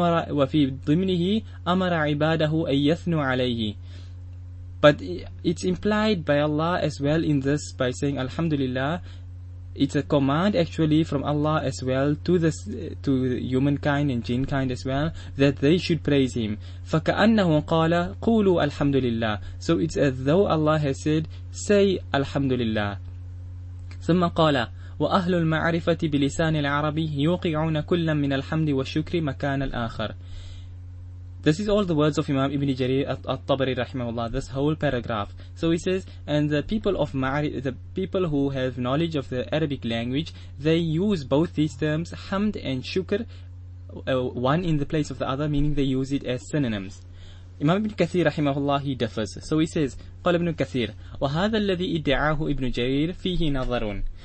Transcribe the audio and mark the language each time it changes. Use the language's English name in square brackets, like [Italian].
[Arabic] وفي ضمنه أمر عباده أن يثنوا عليه. [English] But it's implied by Allah as well in this by saying Alhamdulillah. It's a command actually from Allah as well to humankind and jinn kind as well that they should praise Him. [Arabic] فكأنه قال قولوا الحمد لله. [English] So it's as though Allah has said, say الحمد لله. [Arabic] ثم قال وأهل المعرفة بلسان العربي يوقعون كل من الحمد والشكر مكان الآخر. [English] This is all the words of Imam Ibn Jarir al-Tabari rahimahullah, this whole paragraph. So he says, and the people who have knowledge of the Arabic language, they use both these terms, hamd and shukr, one in the place of the other, meaning they use it as synonyms. Imam Ibn Kathir rahimahullah, he differs. So he says, قال Ibn Kathir, [Arabic] وهذا الذي ادعاه Ibn Jarir فيه نظر.